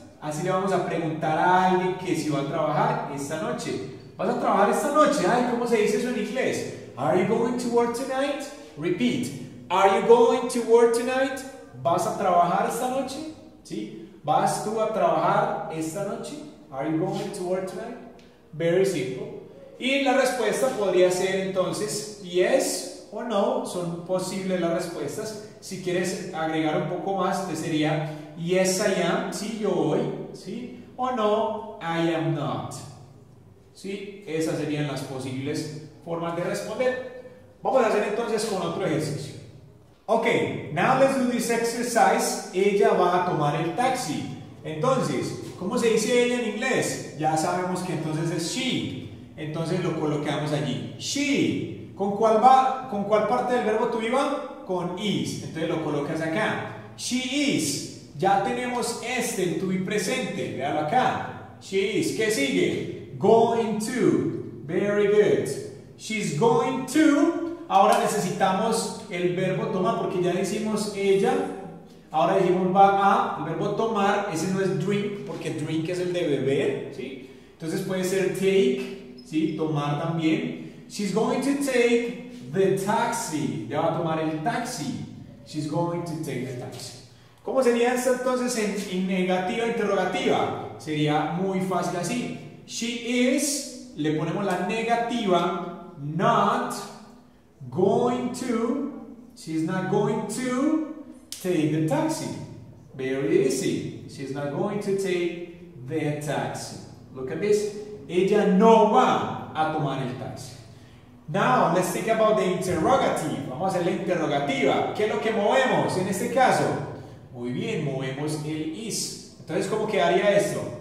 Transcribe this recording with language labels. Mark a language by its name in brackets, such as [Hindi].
[Spanish] Así le vamos a preguntar a alguien que si va a trabajar esta noche. ¿Vas a trabajar esta noche? Ay, ¿cómo se dice eso en inglés? [English] Are you going to work tonight? Repeat. Are you going to work tonight? [Spanish] ¿Vas a trabajar esta noche? ¿Sí? ¿Vas tú a trabajar esta noche? [English] Are you going to work tonight? Very simple. [Spanish] Y la respuesta podría ser entonces yes o no. Son posibles las respuestas. Si quieres agregar un poco más, te sería [English] yes, I am. [Spanish] Sí, yo voy. ¿Sí? O no, [English] I am not. [Spanish] ¿Sí? Esas serían las posibles formas de responder. Vamos a hacer entonces con otro ejercicio. [English] Ok, now let's do this exercise. [Spanish] Ella va a tomar el taxi. Entonces, ¿cómo se dice ella en inglés? Ya sabemos que entonces es she. Entonces lo colocamos allí. She. ¿Con cuál va? ¿Con cuál parte del verbo to be va? Con is. Entonces lo colocas acá. [English] She is. [Spanish] Ya tenemos este en to be presente. Véalo acá. [English] She is. [Spanish] ¿Qué sigue? [English] Going to. Very good. She's going to. [Spanish] Ahora necesitamos el verbo tomar porque ya decimos ella. Ahora decimos va a. El verbo tomar, ese no es drink porque drink es el de beber. ¿Sí? Entonces puede ser take. ¿Sí? Tomar también. [English] She's going to take the taxi. [Spanish] Ya va a tomar el taxi. [English] She's going to take the taxi. [Spanish] ¿Cómo sería eso entonces en negativa interrogativa? Sería muy fácil así. [English] She is, [Spanish] le ponemos la negativa, [English] not going to, she's not going to take the taxi. Very easy. She's not going to take the taxi. Look at this. [Spanish] Ella no va a tomar el taxi. [English] Now, let's think about the interrogative. [Spanish] Vamos a hacer la interrogativa. ¿Qué es lo que movemos en este caso? Muy bien, movemos el is. Entonces, ¿cómo quedaría esto?